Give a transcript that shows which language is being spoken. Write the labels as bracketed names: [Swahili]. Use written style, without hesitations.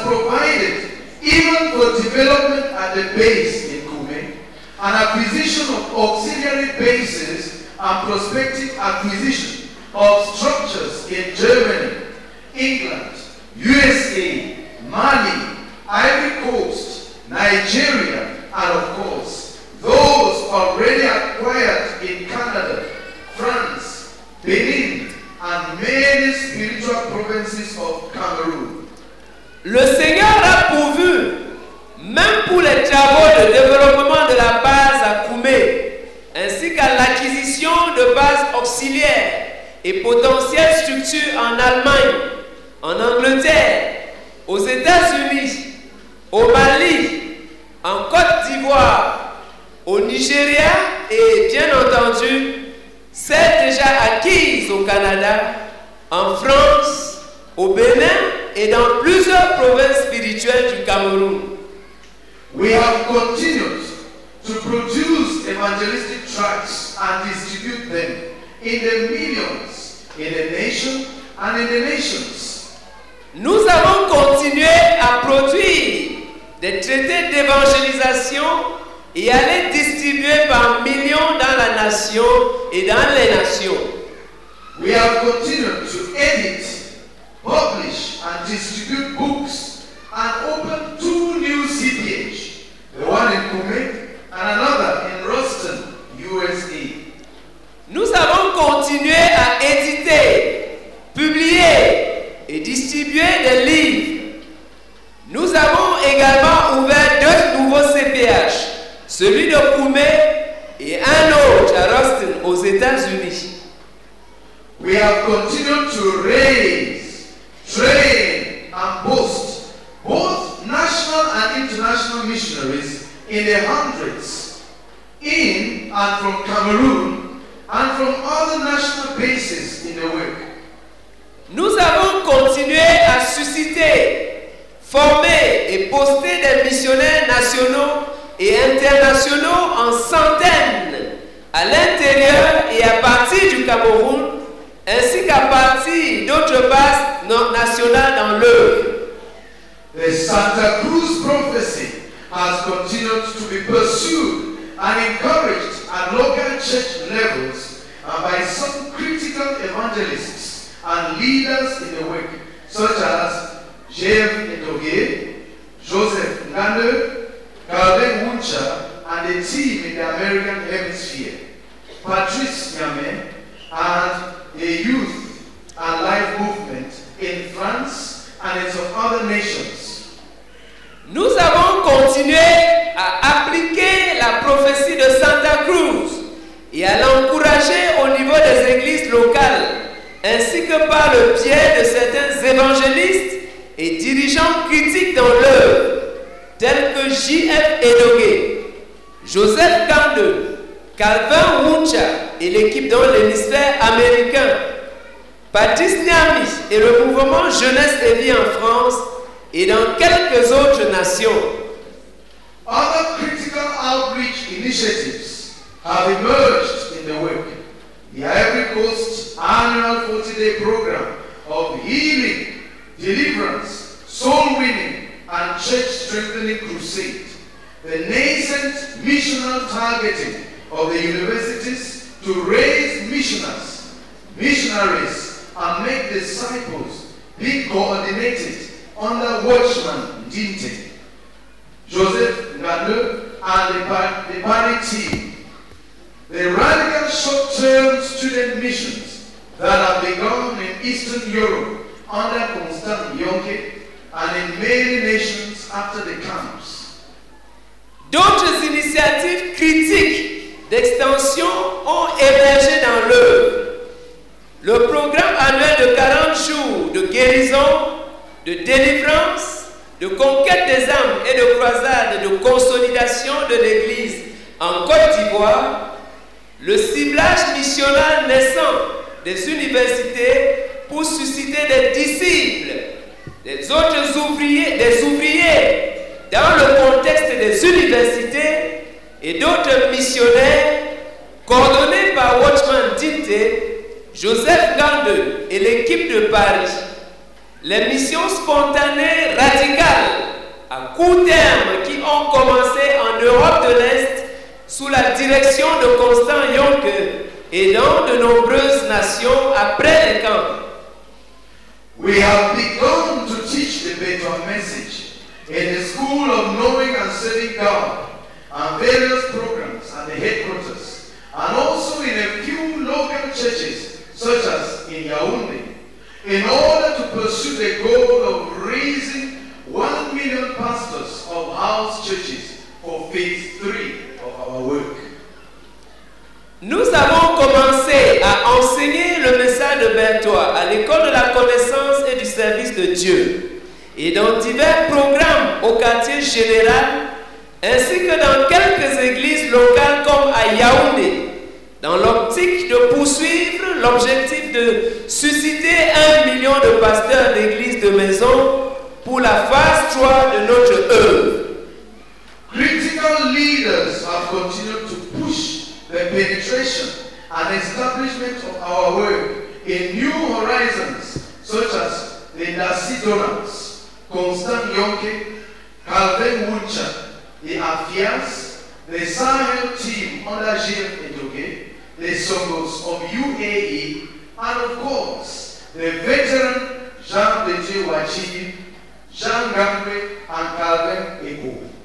[English] development at the base in Kume, an acquisition of auxiliary bases and prospective acquisition of structures in Germany, England, USA, Mali, Ivory Coast, Nigeria, and of course, those already acquired in Canada, France, Benin, and many spiritual provinces of Cameroon. [French] Le Seigneur a pourvu, même pour les travaux de développement de la base à Koumé, ainsi qu'à l'acquisition de bases auxiliaires et potentielles structures en Allemagne, en Angleterre, aux États-Unis, au Mali, en Côte d'Ivoire, au Nigeria et bien entendu, celles déjà acquises au Canada, en France, au Bénin et dans plusieurs provinces spirituelles du Cameroun. [English] We have continued to produce evangelistic tracts and distribute them in the millions, in the nation, and in the nations. [French] Nous avons continué à produire des traités d'évangélisation et à les distribuer par millions dans la nation et dans les nations. [English] We have continued to edit, publish, and distribute books and open two new CDH. The one in Kume and another in Ruston, USA. [French] Nous avons continué à éditer, publier et distribuer des livres. Nous avons également ouvert deux nouveaux CPH, celui de Kume et un autre à Ruston, aux États-Unis. [English] We have continued to raise, train and boost both national and international missionaries in the hundreds, in and from Cameroon, and from other national bases in the world. [French] Nous avons continué à susciter, former et poster des missionnaires nationaux et internationaux en centaines à l'intérieur et à partir du Cameroun, ainsi qu'à partir d'autres bases nationales dans l'œuvre. [English] The Santa Cruz prophecy has continued to be pursued and encouraged at local church levels and by some critical evangelists and leaders in the work, such as J.F. Etogé, Joseph Ngande, Calvin Wuncha, and the team in the American Hemisphere, Patrice Nyame, and the Youth and Life Movement in France and in some other nations. [French] Nous avons continué à appliquer la prophétie de Santa Cruz et à l'encourager au niveau des églises locales, ainsi que par le biais de certains évangélistes et dirigeants critiques dans l'œuvre, tels que J.F. Edogé, Joseph Kande, Calvin Wuncha et l'équipe dans l'hémisphère américain, Patrice Nyami et le mouvement Jeunesse et Vie en France, et dans quelques autres nations. [English] Other critical outreach initiatives have emerged in the work. The Ivory Coast annual 40-day program of healing, deliverance, soul winning, and church strengthening crusade. The nascent missional targeting of the universities to raise missioners, missionaries, and make disciples be coordinated under Watchman Dinte, Joseph Ngane, and the Paris team. The radical short-term student missions that have begun in Eastern Europe under Constant Yonke and in many nations after the camps. [French] D'autres initiatives critiques d'extension ont émergé dans l'œuvre. Le programme annuel de 40 jours de guérison, de délivrance, de conquête des âmes et de croisade de consolidation de l'Église en Côte d'Ivoire, le ciblage missionnal naissant des universités pour susciter des disciples, des autres ouvriers, des ouvriers dans le contexte des universités et d'autres missionnaires coordonnés par Watchman Dinte, Joseph Gande et l'équipe de Paris. Les missions spontanées radicales à court terme qui ont ont commencé en Europe de l'Est sous la direction de Constant Yonke et dans de nombreuses nations après les camps. [English] We have begun to teach the better message in the School of Knowing and Serving God and various programs at the headquarters and also in a few local churches such as in Yaoundé in order to pursue the goal of raising 1 million pastors of house churches for phase 3 of our work. [French] Nous avons commencé à enseigner le message de Bentois à l'école de la connaissance et du service de Dieu et dans divers programmes au quartier général ainsi que dans quelques églises locales comme à Yaoundé dans l'optique de poursuivre l'objectif de susciter 1 million de pasteurs d'églises de maison pour la phase 3 de notre œuvre. [English] Critical leaders have continued to push the penetration and establishment of our work in new horizons such as the Nasi Donuts, Constant Yonke, Calvin Wuncha, the Afias, the Sahel team under Jim Edoge, the Songos of UAE, and of course, the veteran Jean Betu Wachini, Jean Gambe, and Calvin Ego.